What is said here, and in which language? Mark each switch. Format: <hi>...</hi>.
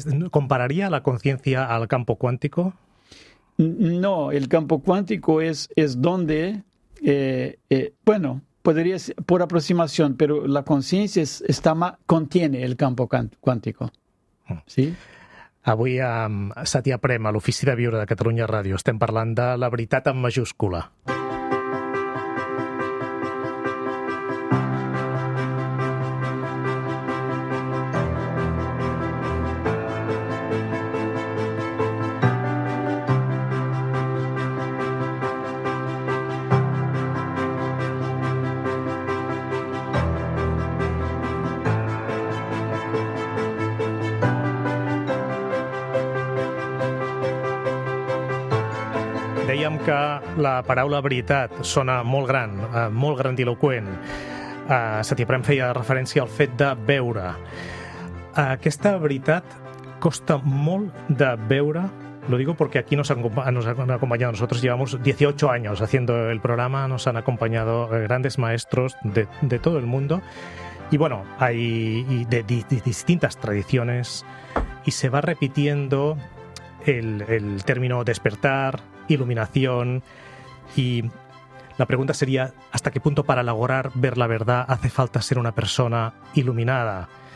<es>¿compararía la conciencia al campo cuántico? No, el campo cuántico es donde, bueno, podría ser por aproximación, pero la conciencia contiene el campo cuántico. Sí.</es> <ca>Avui amb Satya Prem, a l'Ofici de Viure de Catalunya Ràdio, estem parlant de la veritat en majúscula. Dèiem que la paraula veritat sona molt gran, molt grandiloquent. Satya Prem feia referència al fet de veure. Aquesta veritat costa molt de veure.</ca> <es>Lo digo porque aquí nos han acompañado, nosotros llevamos 18 años haciendo el programa, nos han acompañado grandes maestros de todo el mundo. Y bueno, hay de distintas tradiciones y se va repitiendo el término despertar, iluminación, y la pregunta sería, ¿hasta qué punto para lograr ver la verdad hace falta ser una persona iluminada?</es>